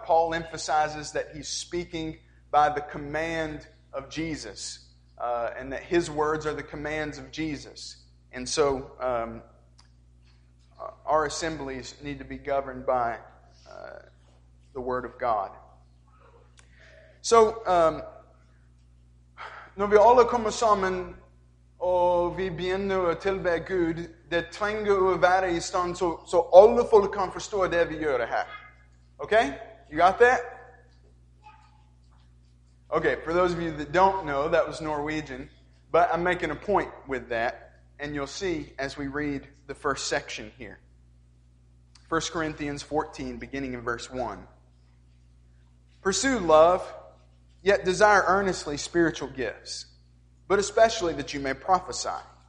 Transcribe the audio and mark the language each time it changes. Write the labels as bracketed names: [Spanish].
[English] Paul emphasizes that he's speaking by the command of Jesus, and that his words are the commands of Jesus. And so our assemblies need to be governed by the Word of God. [Norwegian] So, når vi alle kommer sammen, og vi begynner å tilbe Gud, det trenger å være i stand så alle folk kan forstå det vi gjør her. [English] Okay? You got that? Okay, for those of you that don't know, that was Norwegian, but I'm making a point with that, and you'll see as we read the first section here. 1 Corinthians 14, beginning in verse 1. Pursue love, yet desire earnestly spiritual gifts, but especially that you may prophesy.